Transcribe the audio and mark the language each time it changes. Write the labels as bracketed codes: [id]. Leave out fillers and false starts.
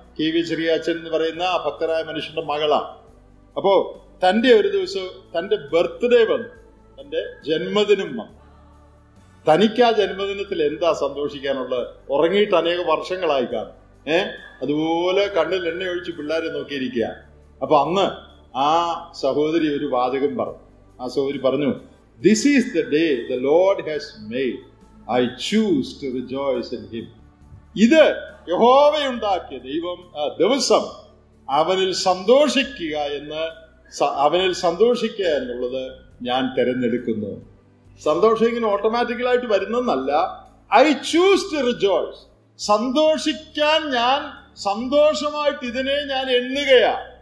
[ml] K V ചെറിയ അച്ഛൻ എന്ന് പറയുന്ന ആ ഭക്തരായ മനുഷ്യന്റെ മകളാണ്. അപ്പോ തന്റെ ഒരു ദിവസം തന്റെ ബർത്ത്ഡേ വന്നു, തന്റെ ജന്മദിനം വന്നു. തനിക്ക് ആ ജന്മദിനത്തിൽ എന്താ സന്തോഷിക്കാനുള്ളത്? ഉറങ്ങിയിട്ട് അനേക വർഷങ്ങളായി കാണും. അതുപോലെ കണ്ണിൽ എണ്ണയൊഴിച്ച് പിള്ളേരെ നോക്കിയിരിക്കുക. അപ്പൊ അന്ന് ആ സഹോദരി ഒരു വാചകം പറഞ്ഞു. ആ സഹോദരി പറഞ്ഞു, [en] This is the day the Lord has made. I choose to rejoice in him. [ml] ഇത് യഹോവയുണ്ടാക്കിയ ദൈവം ദിവസം, അവനിൽ സന്തോഷിക്കുക എന്ന്, അവനിൽ സന്തോഷിക്കുക എന്നുള്ളത് ഞാൻ തിരഞ്ഞെടുക്കുന്നു. സന്തോഷം ഇങ്ങനെ ഓട്ടോമാറ്റിക്കലായിട്ട് വരുന്നല്ല, [en] I choose to rejoice, [ml] സന്തോഷിക്കാൻ ഞാൻ സന്തോഷമായിട്ട് ഇതിനെ ഞാൻ എണ്ണുകയാ.